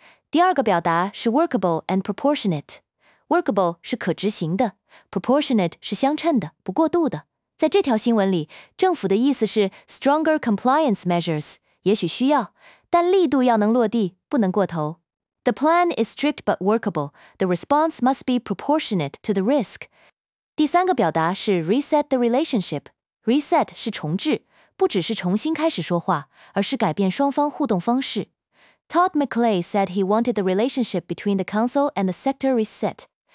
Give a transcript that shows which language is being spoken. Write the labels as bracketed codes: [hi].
[zh] 第二个表达是 workable and proportionate. Workable 是可执行的， proportionate 是相称的、不过度的。在这条新闻里，政府的意思是 stronger compliance measures，也许需要，但力度要能落地，不能过头。 [en] The plan is strict but workable. The response must be proportionate to the risk. [zh] 第三个表达是 reset the relationship. Reset 是重置，不只是重新开始说话，而是改变双方互动方式。 [en] Todd McClay said he wanted the relationship between the council and the sector reset.